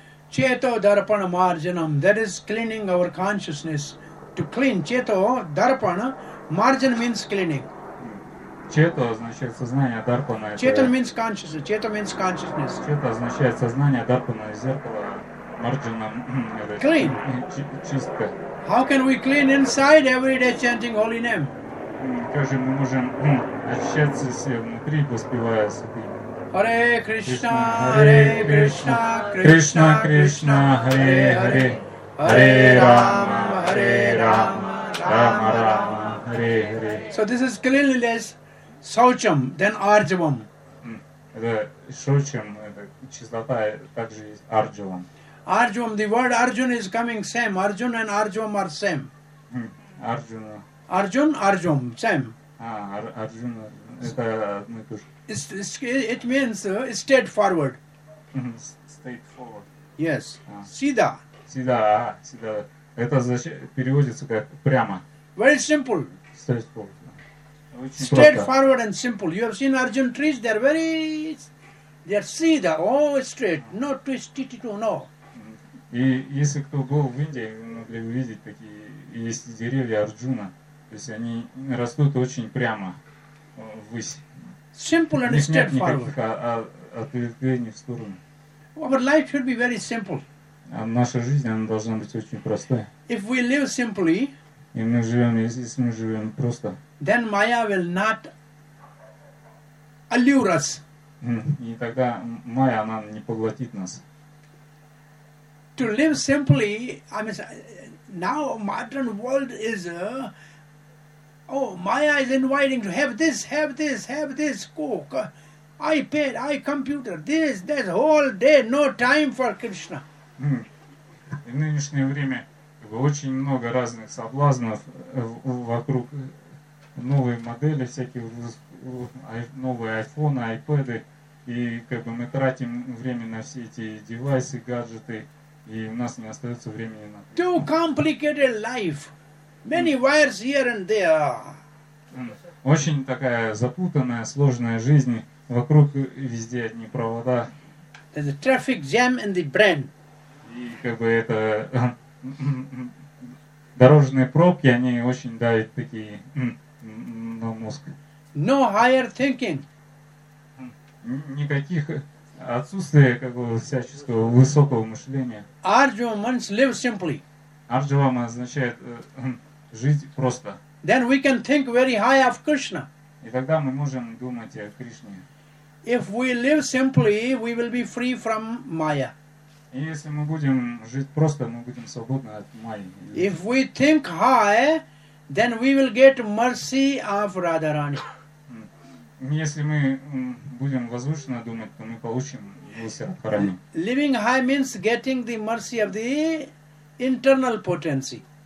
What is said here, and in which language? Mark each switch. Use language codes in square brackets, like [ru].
[sa] Чето дарпана марджанам, [en] that is cleaning our consciousness. To clean, чето дарпана, марджан means cleaning. [ru] Чето означает сознание, дарпана – это… [en] Чето means consciousness. [ru] Чето означает сознание, дарпана – зеркало, марджанам – [en] clean. [ru] Чистка. [en] How can we clean inside every day chanting holy name? [ru] Как же мы можем очищаться все внутри, воспевая святые? [sa] Hare Krishna, Hare Krishna, Krishna Krishna, Hare Hare, Hare Rama, Hare Rama, Rama Rama, Hare Hare. [en] So this is cleanliness. Saucham, then Arjavam. [ru] Это Saucham, это чистота, также есть Arjavam. [en] Arjavam, the word Arjun is coming same. Arjun and Arjavam are same. Arjun. Arjun, Arjavam, same. [ru] Arjun, это одно и то же. [en] It means straightforward. Straightforward. Yes. [hi] Сида. Сида, сида. [ru] Это переводится как прямо. [en] Very simple. Straightforward. Straightforward and simple. You have seen Arjun trees, they are very, they are seedha, all straight, no twisty to no. [ru] И если кто был в Индии, вы могли увидеть, такие есть деревья Арджуна, то есть они растут очень прямо, ввысь. [en] Simple and straightforward. [ru] Никаких ответвлений в сторону. [en] Our life should be very simple. [ru] Наша жизнь, она должна быть очень простой. [en] If we live simply, [ru] и мы живем, если мы живем просто, [en] then Maya will not allure us. [ru] И тогда майя, она не поглотит нас. [en] To live simply, I mean, now modern world is, Maya is inviting to have this, cook, iPad, iComputer, this whole day, no time for Krishna. [ru] В нынешнее время очень много разных соблазнов вокруг новой модели всяких, новые iPhone, iPad, и как бы мы тратим время на все эти девайсы, гаджеты, и у нас не остается времени на... [en] Too complicated life. Many wires here and there. [ru] Очень такая запутанная, сложная жизнь. Вокруг везде одни провода. [en] There's a traffic jam in the brain. [ru] И как бы это... дорожные пробки, они очень давят такие на мозг. [en] No higher thinking. [ru] Никаких... отсутствие как бы всяческого высокого мышления. [en] Arjava means live simply. [ru] Arjava означает жить просто. [en] Then we can think very high of Krishna. [ru] И тогда мы можем думать о Кришне. [en] If we live simply, we will be free from Maya. [ru] И если мы будем жить просто, мы будем свободны от Майи. [en] If we think high, then we will get mercy of Radharani. [ru] Если мы будем возвышенно думать, то мы получим милость от Радхарани. [en] Living high means getting the mercy of the internal potency.